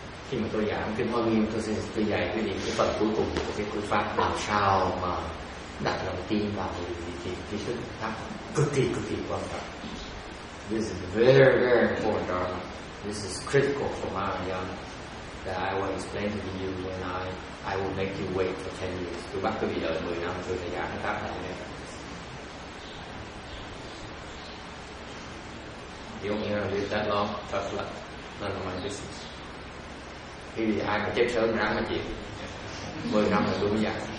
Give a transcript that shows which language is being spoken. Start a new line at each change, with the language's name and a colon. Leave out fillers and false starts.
Vietnamese: khi mà tôi giảng kinh Hoa Nghiêm, tôi sẽ tôi dạy quý vị cái phần cuối cùng của cái cú pháp làm sao mà đặt lòng tin vào cái sự thực tập cực kỳ quan trọng.
English: This is very very important, Dharma. This is critical for Mahayana that I will explain to you when I will make you wait for 10 years.
Vietnamese: Tôi bắt quý vị đợi 10 năm tôi sẽ giảng cái pháp này.
English: You don't need to live that long, tough luck. None of my business.
Vietnamese: Thì vì ai mà chết sớm ráng mà chịu. 10 năm rồi tôi mới dạy.